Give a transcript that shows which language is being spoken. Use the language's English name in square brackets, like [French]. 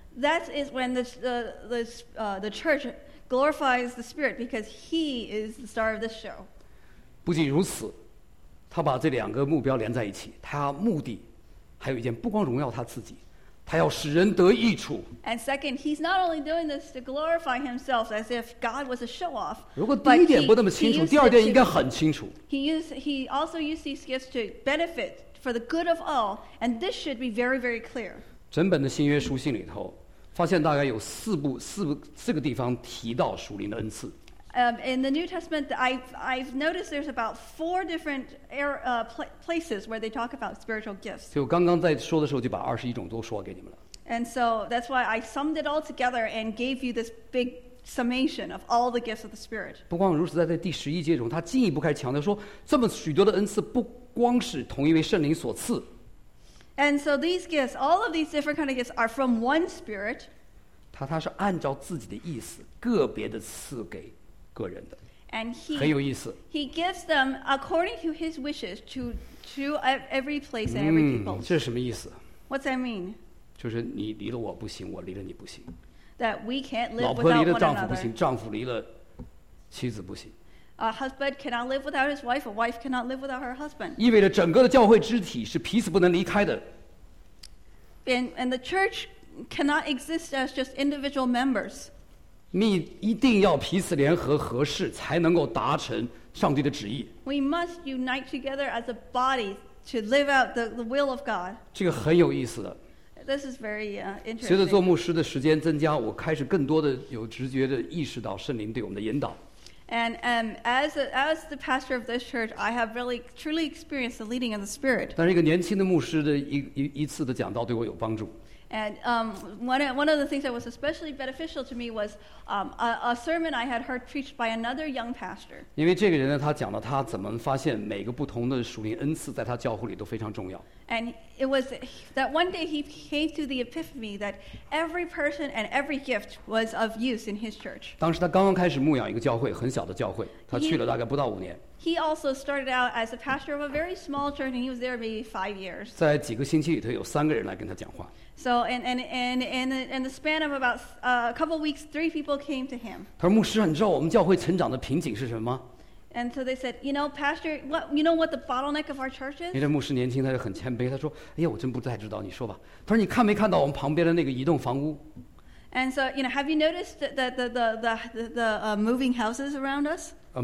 [English] That is when the church glorifies the Spirit because He is the star of the show. [Chinese] 不仅如此，他把这两个目标连在一起，他目的还有一件，不光荣耀他自己。他要使人得益处。 [English] And second, he's not only doing this to glorify himself as if God was a show-off. [Chinese] 如果第一点不那么清楚，第二点应该很清楚。 [English] He also used these gifts to benefit for the good of all, and this should be very, very clear. [Chinese] 整本的新约书信里头，发现大概有四个地方提到属灵的恩赐。 [English] In the New Testament, I've noticed there's about four different places where they talk about spiritual gifts. [Chinese] 就刚刚在说的时候就把二十一种都说给你们了。 [English] And so that's why I summed it all together and gave you this big summation of all the gifts of the Spirit. [Chinese] 不光如此，在第十一节中，他进一步开始强调说，这么许多的恩赐不光是同一位圣灵所赐。 [English] And so these gifts, all of these different kind of gifts, are from one Spirit. [Chinese] 他是按照自己的意思，个别的赐给。个人的 [English] and he, [Chinese] 很有意思 [English] he gives them according to his wishes to every place and every people [Chinese] 这是什么意思 [English] what's that mean [Chinese] 就是你离了我不行我离了你不行 [English] that we can't live without one another [Chinese] 老婆离了丈夫不行丈夫离了妻子不行 [English] a husband cannot live without his wife a wife cannot live without her husband [Chinese] 意味着整个的教会肢体是彼此不能离开的 [English] and the church cannot exist as just individual members [Chinese] 你一定要彼此联合合适才能够达成上帝的旨意 [English] We must unite together as a body to live out the will of God [Chinese] 这个很有意思的 [English] This is very interesting [Chinese] 随着做牧师的时间增加我开始更多的有直觉的意识到圣灵对我们的引导 [English] And as the pastor of this church I have really truly experienced the leading of the Spirit [Chinese] 但是一个年轻的牧师的一次的讲道对我有帮助 [English] And one of the things that was especially beneficial to me was a sermon I had heard preached by another young pastor. [Chinese] 因为这个人呢，他讲了他怎么发现每个不同的属灵恩赐在他教会里都非常重要。 [English] And it was that one day he came to the epiphany that every person and every gift was of use in his church. [Chinese] 当时他刚刚开始牧养一个教会，很小的教会，他去了大概不到五年。 [English] He also started out as a pastor of a very small church, and he was there maybe 5 years. [Chinese] 在几个星期里头，有三个人来跟他讲话。 [English] So in the span of about a couple of weeks, three people came to him. [Chinese] 他说牧师，你知道我们教会成长的瓶颈是什么吗 [English] ？And so they said, you know, Pastor, what you know what the bottleneck of our church is? [Chinese] 因为牧师年轻，他就很谦卑。他说，哎呀，我真不太知道，你说吧。他说，你看没看到我们旁边的那个移动房屋 [English] ？And so you know, have you noticed that the moving houses around us?